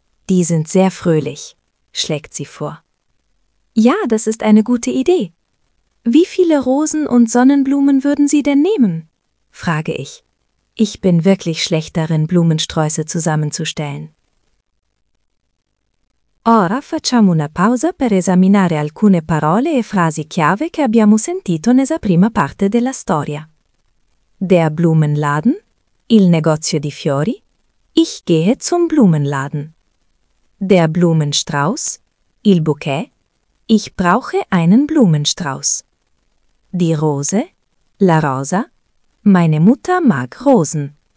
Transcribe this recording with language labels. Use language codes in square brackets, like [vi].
[de] Die sind sehr fröhlich, schlägt sie vor. Ja, das ist eine gute Idee. Wie viele Rosen und Sonnenblumen würden Sie denn nehmen? Frage ich. Ich bin wirklich schlecht darin, Blumensträuße zusammenzustellen. [it] Ora facciamo una pausa per esaminare alcune parole e frasi chiave che abbiamo sentito nella prima parte della storia. [de] Der Blumenladen? [it] Il negozio di fiori? [de] Ich gehe zum Blumenladen. Der Blumenstrauß? [it] Il bouquet? [de] Ich brauche einen Blumenstrauß. Die Rose? [it] La rosa? [de] Meine Mutter mag Rosen.